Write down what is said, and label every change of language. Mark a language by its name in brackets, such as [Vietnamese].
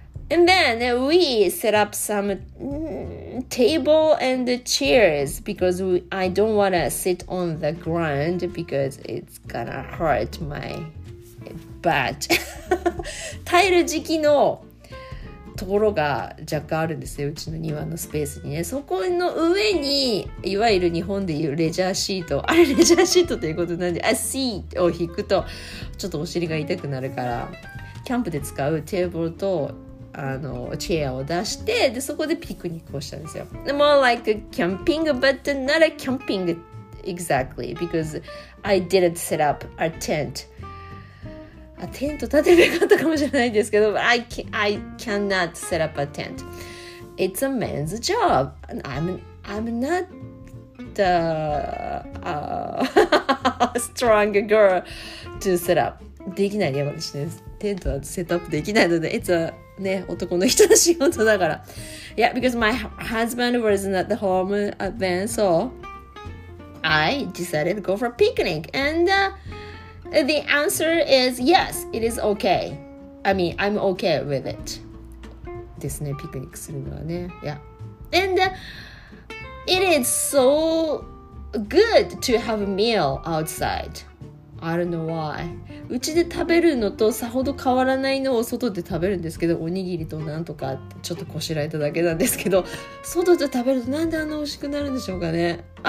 [English] And then we set up some table and chairs because I don't want to sit on the ground because it's gonna hurt my butt. [Japanese] 耐える時期のところが若干あるんですよ、うちの庭のスペースにね。そこの上にいわゆる日本でいうレジャーシート、あれレジャーシートということなんで、あ、シートを引くとちょっとお尻が痛くなるから、キャンプで使うテーブルとあのチェアを出して、でそこでピクニックをしたんですよ。 [English] More like a camping but not a camping exactly because I didn't set up a tent [Japanese] あ、テント立てなかったかもしれないんですけど、 [English] I cannot set up a tent. It's a man's job. I'm not the strong girl to set up. [Japanese] できないね、私ね。テントはセットアップできないので、 [English] It's a、 [Japanese] ね、男の人の仕事だから。 [English] Yeah, because my husband was not at home then, so I decided to go for a picnic. And the answer is yes, it is okay. I mean, I'm okay with it. [Japanese] ですね、ピクニックするのはね。 [English] Yeah. And it is so good to have a meal outside. I don't know why. [Japanese] うちで食べるのとさほど変わらないのを外で食べるんですけど、おにぎりとなんとかちょっとこしらえただけなんですけど、外で食べるとなんであんな美味しくなるんでしょうかね。